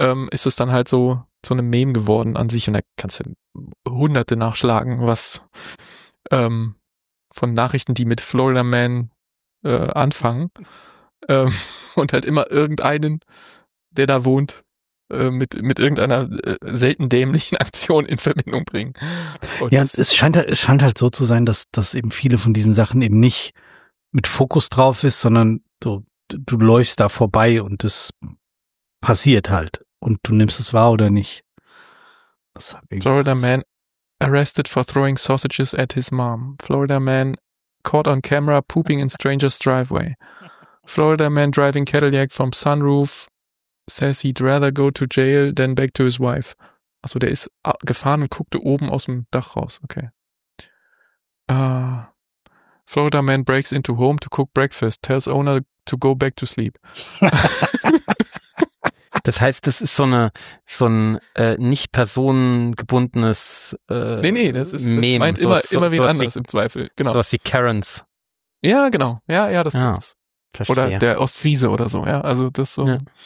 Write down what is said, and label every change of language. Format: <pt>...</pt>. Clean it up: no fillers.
<de>ist es dann halt so zu einem Meme geworden an sich und da kannst du hunderte nachschlagen, was von Nachrichten, die mit Florida man anfangen und halt immer irgendeinen, der da wohnt, mit irgendeiner selten dämlichen Aktion in Verbindung bringen. Und ja, es scheint halt so zu sein, dass eben viele von diesen Sachen eben nicht mit Fokus drauf ist, sondern du läufst da vorbei und es passiert halt und du nimmst es wahr oder nicht.</de> <en>Das Florida man arrested for throwing sausages at his mom. Florida man caught on camera pooping in stranger's driveway. Florida man driving Cadillac from sunroof. Says he'd rather go to jail than back to his wife.</en> <de>Achso, der ist gefahren und guckte oben aus dem Dach raus. Okay.</de> <en>Florida man breaks into home to cook breakfast. Tells owner to go back to sleep.</en> <de>Das heißt, das ist so ein nicht personengebundenes Meme. Nee, das ist, Meme. Das meint immer wen anders im Zweifel. Genau. So was wie Karens. Ja, genau. Ja, das ist ja, das. Verstehe. Oder der Ostfriese oder so. Ja, also das so. Ja.</de>